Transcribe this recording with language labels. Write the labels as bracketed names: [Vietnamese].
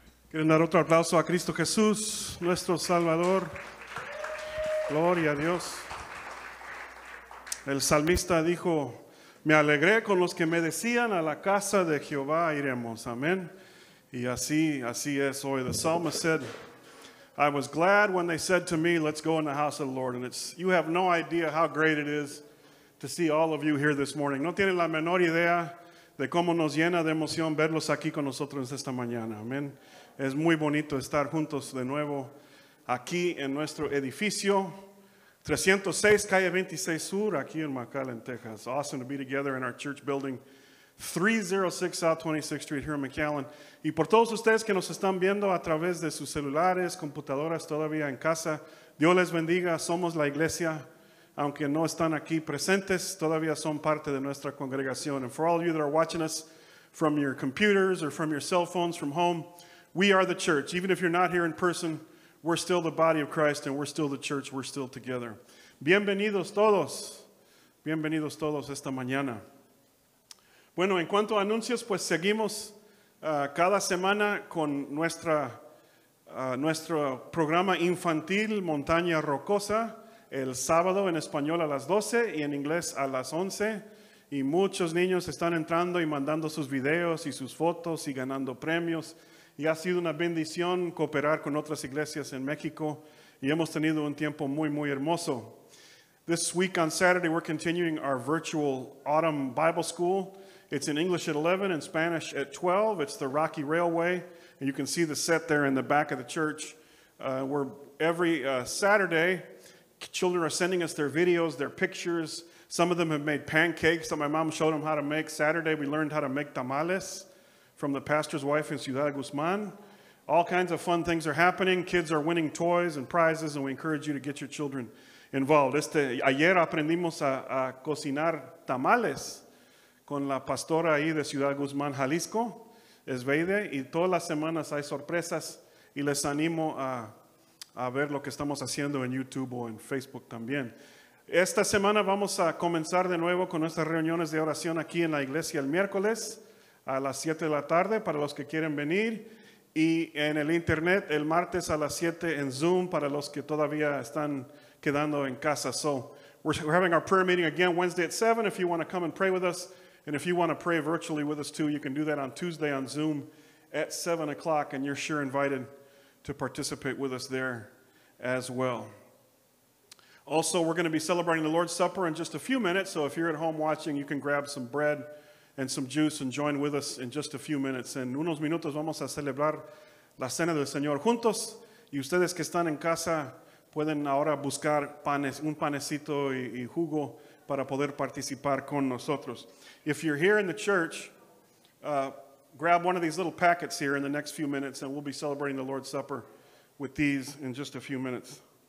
[Spanish] ¿Quieren dar otro aplauso a Cristo Jesús, nuestro Salvador? Gloria a Dios. El salmista dijo: me alegré con los que me decían, a la casa de Jehová iremos. Amén. Y así es hoy. [English] The psalmist said, I was glad when they said to me, let's go in the house of the Lord. And it's, you have no idea how great it is to see all of you here this morning. [Spanish] No tienen la menor idea de cómo nos llena de emoción verlos aquí con nosotros esta mañana. Amén. Es muy bonito estar juntos de nuevo aquí en nuestro edificio 306, calle 26 Sur, aquí en McAllen, Texas. [English] Awesome to be together in our church building, 306 South 26th Street here in McAllen. [Spanish] Y por todos ustedes que nos están viendo a través de sus celulares, computadoras, todavía en casa, Dios les bendiga. Somos la iglesia, aunque no están aquí presentes, todavía son parte de nuestra congregación. [English] And for all of you that are watching us from your computers or from your cell phones from home, we are the church. Even if you're not here in person, we're still the body of Christ and we're still the church. We're still together. [Spanish] Bienvenidos todos. Bienvenidos todos esta mañana. Bueno, en cuanto a anuncios, pues seguimos cada semana con nuestro programa infantil Montaña Rocosa, el sábado en español a las 12 y en inglés a las 11. Y muchos niños están entrando y mandando sus videos y sus fotos y ganando premios. Y ha sido una bendición cooperar con otras iglesias en México. Y hemos tenido un tiempo muy, muy hermoso. [English] This week on Saturday, we're continuing our virtual autumn Bible school. It's in English at 11 and Spanish at 12. It's the Rocky Railway. And you can see the set there in the back of the church. Where every Saturday, children are sending us their videos, their pictures. Some of them have made pancakes that my mom showed them how to make. Saturday, we learned how to make tamales from the pastor's wife in Ciudad Guzmán. All kinds of fun things are happening. Kids are winning toys and prizes, and we encourage you to get your children involved. [Spanish] Ayer aprendimos a cocinar tamales con la pastora ahí de Ciudad Guzmán, Jalisco, Esveide, y todas las semanas hay sorpresas, y les animo a ver lo que estamos haciendo en YouTube o en Facebook también. Esta semana vamos a comenzar de nuevo con nuestras reuniones de oración aquí en la iglesia el miércoles a las 7 de la tarde para los que quieren venir, y en el internet el martes a las 7 en Zoom para los que todavía están quedando en casa. [English] So we're having our prayer meeting again Wednesday at 7 if you want to come and pray with us, and if you want to pray virtually with us too, you can do that on Tuesday on Zoom at 7 o'clock, and you're sure invited to participate with us there as well. Also, we're going to be celebrating the Lord's Supper in just a few minutes, so if you're at home watching, you can grab some bread and some juice and join with us in just a few minutes. [Spanish] En unos minutos vamos a celebrar la cena del Señor juntos. Y ustedes que están en casa pueden ahora buscar un panecito y jugo para poder participar con nosotros. [English] If you're here in the church, grab one of these little packets here in the next few minutes, and we'll be celebrating the Lord's Supper with these in just a few minutes.